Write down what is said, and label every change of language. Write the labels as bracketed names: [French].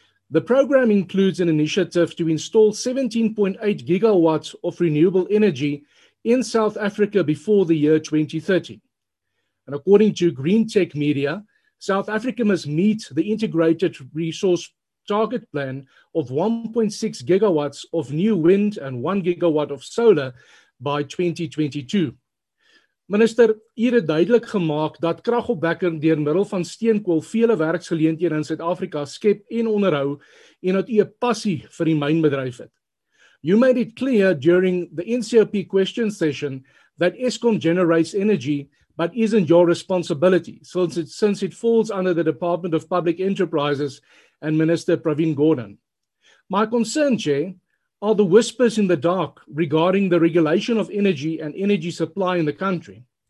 [English] The program includes an initiative to install 17.8 gigawatts of renewable energy in South Africa before the year 2030. And according to GreenTech Media, South Africa must meet the integrated resource target plan of 1.6 gigawatts of new wind and 1 gigawatt of solar by 2022. [Afrikaans] Minister, hier het duidelik gemaak dat kragopwekker deur middel van steenkool vele werksgeleenthede in Suid-Afrika skep en onderhou en dat u 'n passie vir die mynbedryf het. [English] You made it clear during the NCOP question session that Eskom generates energy but isn't your responsibility, since it falls under the Department of Public Enterprises and Minister Pravin Gordhan. My concern, Chair, are the whispers in the dark regarding the regulation of energy and energy supply in the country.